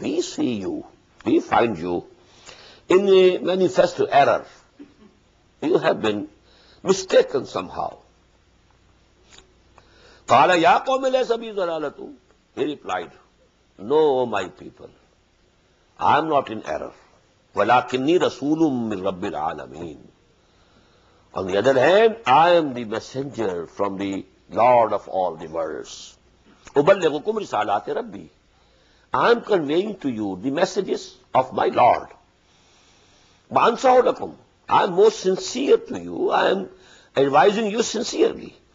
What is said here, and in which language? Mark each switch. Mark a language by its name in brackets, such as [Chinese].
[English] We see you, we find you in a manifest error. You have been mistaken somehow. [Arabic] قال يا قوم ليس بي ضلالة. [English] He replied, No, my people, I am not in error. [Arabic] ولكني رسول من رب العالمين. [English] On the other hand, I am the messenger from the Lord of all the worlds. [Arabic] أُبَلِّغُكُمْ رِسَالَاتِ رَبِّي. [English] I am conveying to you the messages of my Lord. [Arabic] وَأَنْصَحُ لَكُمْ. [English] I am most sincere to you. I am advising you sincerely.